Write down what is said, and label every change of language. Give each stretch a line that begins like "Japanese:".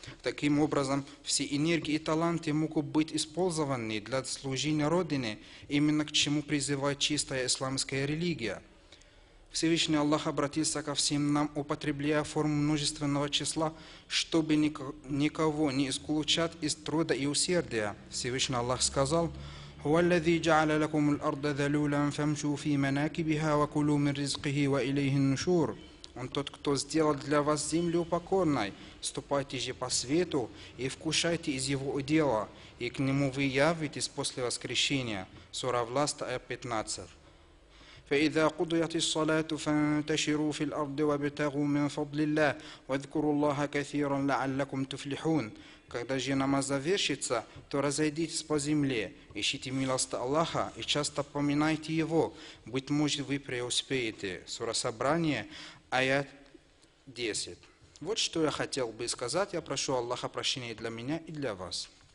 Russian: Таким образом, все энергии и таланты могут быть использованы для служения Родине, именно к чему призывает чистая исламская религия. Всевышний Аллах обратился ко всем нам, употребляя форму множественного числа, чтобы никого не исключать из труда и усердия. Всевышний Аллах сказал:
Arabic: هو الذي جعل لكم الأرض ذلولا فامشوا في مناكبها وكلوا من رزقه وإليه النشور.
Russian: Он тот, кто сделал для вас землю покорной, ступайте же по свету и вкушайте из его удела, и к нему вы явитесь после воскрешения. Сура Власт, аят 15.
Arabic: فإذا قضيت الصلاة فانتشروا في الأرض وابتغوا من فضل الله واذكروا الله كثيرا لعلكم تفلحون.
Russian: Когда же намаз завершится, то разойдитесь по земле, ищите милость Аллаха и часто поминайте Его, быть может, вы преуспеете. Сура Собрание, аят 10. Вот что я хотел бы сказать, я прошу Аллаха прощения для меня и для вас.